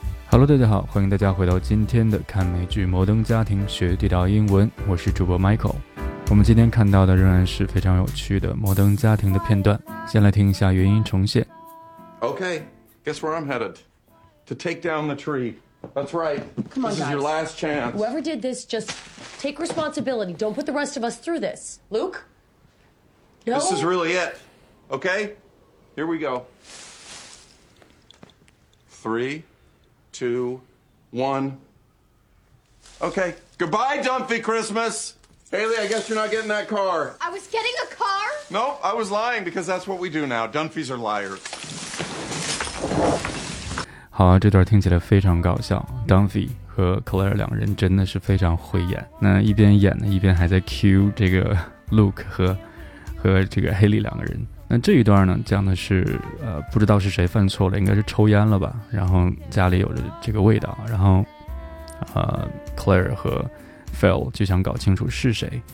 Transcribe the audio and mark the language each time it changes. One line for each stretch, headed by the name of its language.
Chinese: Hello， 大家好，欢迎大家回到今天的看美剧《摩登家庭》学地道英文，我是主播 Michael。我们今天看到的仍然是非常有趣的《摩登家庭》的片段，先来听一下原音重现。
English: Okay, guess where I'm headed? To take down the tree. That's right. Come on, this guys. Is your last chance. Whoever did this, just take responsibility. Don't put the rest of us through this. Luke? No? This is really it. Okay? Here we go. 3, 2, 1. Okay. Goodbye, Dumpy Christmas. Haley, I guess you're not getting that car. I was getting a car? No, I was lying because that's what we do now. Dumpies are liars.
Chinese: 好啊，这段听起来非常搞笑。Dumpy 和 Claire 两人真的是非常会演。那一边演呢，一边还在 cue 这个 Luke 和这个 Haley 两个人。那这一段呢，讲的是不知道是谁犯错了，应该是抽烟了吧，然后家里有着这个味道，然后Claire 和 Phil 就想搞清楚是谁。